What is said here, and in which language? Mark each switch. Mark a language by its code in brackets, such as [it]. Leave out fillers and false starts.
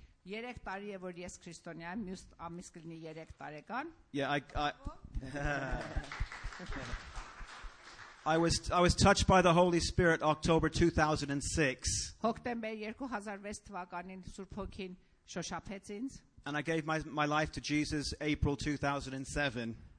[hy] 3 տարի է որ ես քրիստոնյա եմ, մյուս ամիս կլինի 3 տարեկան։ [en] Yeah, I I was touched by the Holy Spirit October 2006. [hy] Հոկտեմբեր 2006 թվականին Սուրբ Հոգին շոշափեց ինձ. [en] And I gave my life to Jesus April 2007.